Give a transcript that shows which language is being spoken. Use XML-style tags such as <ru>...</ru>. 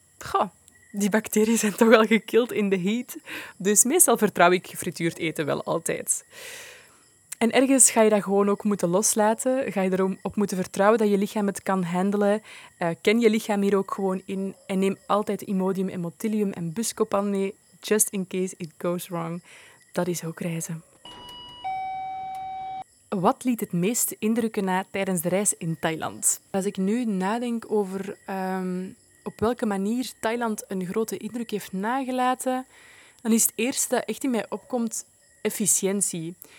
<nl>Goh, die bacteriën zijn toch wel gekild in de heat. Dus meestal vertrouw ik gefrituurd eten wel altijd. En ergens ga je dat gewoon ook moeten loslaten. Ga je erop moeten vertrouwen dat je lichaam het kan handelen. Ken je lichaam hier ook gewoon in. En neem altijd Imodium en Motilium en Buscopan mee.</nl> <en>Just in case it goes wrong.</en> <nl>Dat is ook reizen. Wat liet het meest indrukken na tijdens de reis in Thailand? Als ik nu nadenk over op welke manier Thailand een grote indruk heeft nagelaten, dan is het eerste dat echt in mij opkomt efficiëntie.</nl>